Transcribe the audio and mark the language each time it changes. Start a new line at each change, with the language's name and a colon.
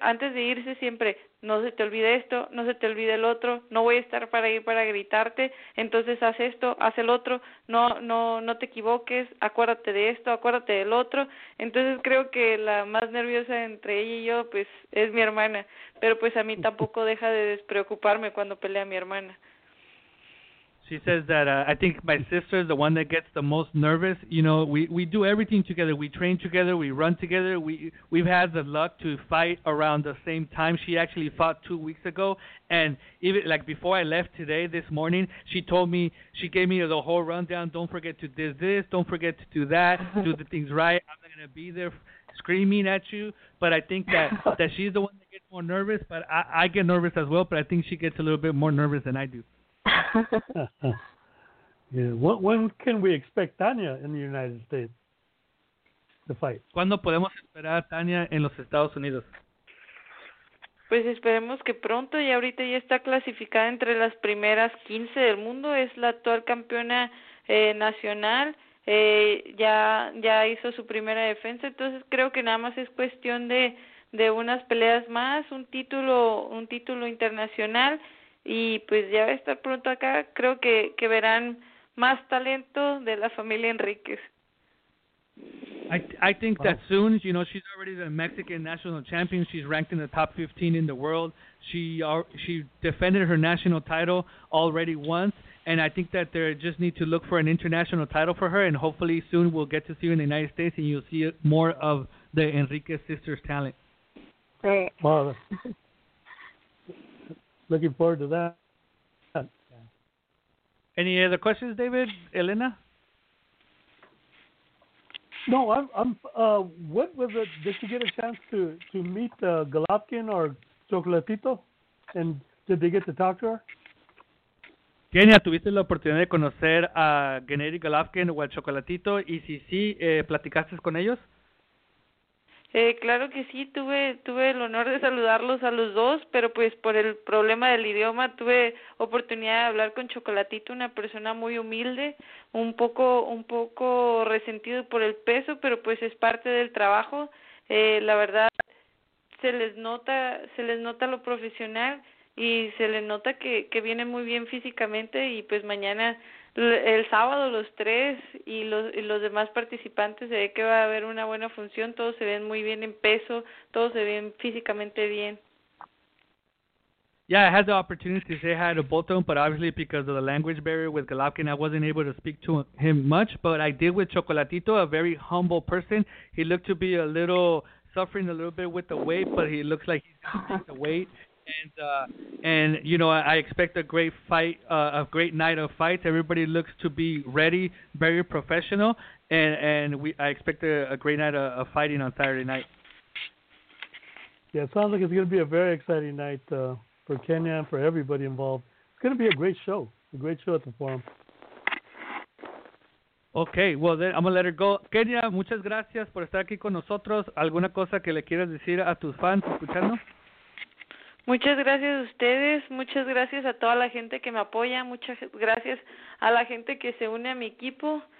Spanish: Antes de irse siempre, no se te olvide esto, no se te olvide el otro, no voy a estar para ir para gritarte, entonces haz esto, haz el otro, no te equivoques, acuérdate de esto, acuérdate del otro. Entonces creo que la más nerviosa entre ella y yo, pues, es mi hermana. Pero pues a mí tampoco deja de despreocuparme cuando pelea mi hermana.
English: She says that I think my sister is the one that gets the most nervous. You know, we do everything together. We train together. We run together. We've had the luck to fight around the same time. She actually fought 2 weeks ago. And even like before I left today, this morning, she told me, she gave me the whole rundown. Don't forget to do this. Don't forget to do that. Do the things right. I'm not going to be there screaming at you. But I think that she's the one that gets more nervous. But I get nervous as well. But I think she gets a little bit more nervous than I do. Yeah. When can we expect Tanya in the United States to fight?
Spanish: ¿Cuándo podemos esperar a Tanya en los Estados Unidos? Pues esperemos que pronto, y ahorita ya está clasificada entre las primeras 15 del mundo. Es la actual campeona nacional. Ya hizo su primera defensa. Entonces creo que nada más es cuestión de unas peleas más, un título internacional. Y pues ya va a estar pronto acá. Creo que verán más talento de la familia Enríquez.
English: I think that soon, you know, she's already the Mexican national champion. She's ranked in the top 15 in the world. She defended her national title already once. And I think that they just need to look for an international title for her. And hopefully soon we'll get to see her in the United States and you'll see more of the Enríquez sisters' talent. Great. Wow. Looking forward to that. Yeah. Any other questions, David? Elena? No, I'm. What was it? Did you get a chance to meet Golovkin or Chocolatito? And did they get to talk to her?
Spanish: Kenia, ¿tuviste la oportunidad de conocer a Gennady Golovkin o a Chocolatito? Y si sí, ¿platicaste con ellos? Claro que sí, tuve el honor de saludarlos a los dos, pero pues por el problema del idioma tuve oportunidad de hablar con Chocolatito, una persona muy humilde, un poco resentido por el peso, pero pues es parte del trabajo. La verdad se les nota lo profesional y se les nota que vienen muy bien físicamente, y pues mañana el sábado los tres y los demás participantes se ve que va a haber una buena función. Todos se ven muy bien en peso, todos se ven físicamente bien.
English: Yeah, I had the opportunity to say hi to both of them, but obviously because of the language barrier with Golovkin, I wasn't able to speak to him much. But I did with Chocolatito, a very humble person. He looked to be a little suffering a little bit with the weight, but he looks like he's going to take the weight. And you know, I expect a great fight, a great night of fights. Everybody looks to be ready, very professional, and I expect a great night of fighting on Saturday night. Yeah, it sounds like it's going to be a very exciting night for Kenya and for everybody involved. It's going to be a great show at the Forum. Okay, well then, I'm going to let her go.
Spanish: Kenya, muchas gracias por estar aquí con nosotros. ¿Alguna cosa que le quieras decir a tus fans escuchando? Muchas gracias a ustedes, muchas gracias a toda la gente que me apoya, muchas gracias a la gente que se une a mi equipo.